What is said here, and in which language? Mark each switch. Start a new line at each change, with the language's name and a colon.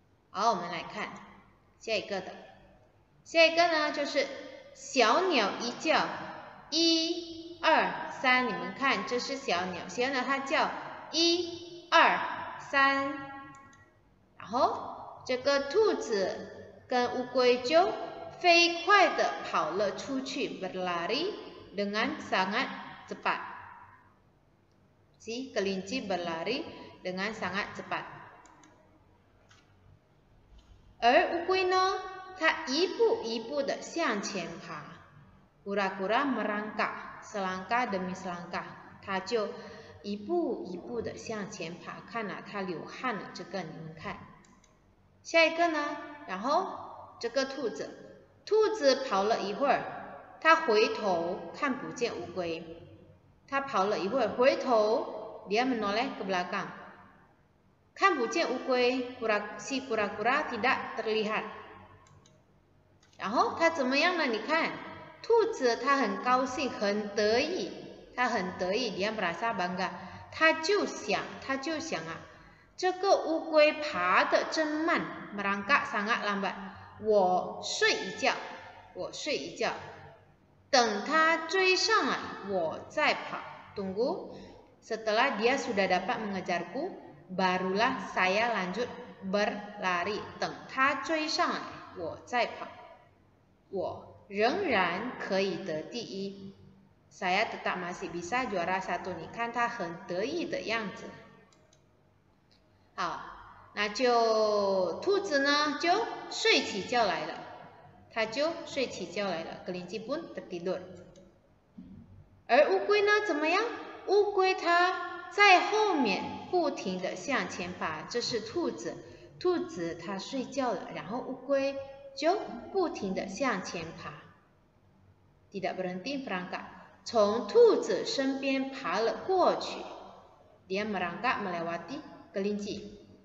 Chinese: 好，我们来看下一个的，下一个呢就是小鸟一叫，一二三，你们看这是小鸟，小鸟它叫一二三，然后这个兔子跟乌龟就飞快地跑了出去 ，
Indonesian: berlari dengan sangat cepat. Si kelinci berlari dengan sangat cepat.
Chinese: 而乌龟呢，它一步一步地向前爬 ，
Indonesian: kura-kura merangkak, selangkah demi selangkah.
Chinese: 它就一步一步地向前爬，看啊，它流汗了。这个你们看，下一个呢，然后。这个兔子跑了一会儿，它回头看不见乌龟，它跑了一会儿回头
Indonesian: dia menoleh ke belakang，
Chinese: 看不见乌龟，
Indonesian: si kura-kura tidak terlihat。
Chinese: 然后它怎么样呢？你看兔子它很高兴，它很得意
Indonesian: dia merasa bangga，
Chinese: 它就想啊，这个乌龟爬得真慢，
Indonesian: merangkak sangat lambat，
Chinese: 我睡一觉，等他追上来，我再跑。
Indonesian: Tunggu setelah dia sudah dapat mengejarku, barulah saya lanjut berlari.
Chinese: 等他追上来，我再跑。我仍然可以得第一。
Indonesian: Saya tetap masih bisa juara satu.
Chinese: 你看他很得意的样子。好。那就兔子呢就睡起觉来了，它就睡起觉来了 ，
Indonesian: kelinci pun tertidur。
Chinese: 而乌龟呢怎么样？乌龟它在后面不停地向前爬，这是兔子它睡觉了，然后乌龟就不停地向前爬 ，
Indonesian: tidak berhenti merangkak，
Chinese: 从兔子身边爬了过去 ，
Indonesian: dia merangkak melewati kelinci。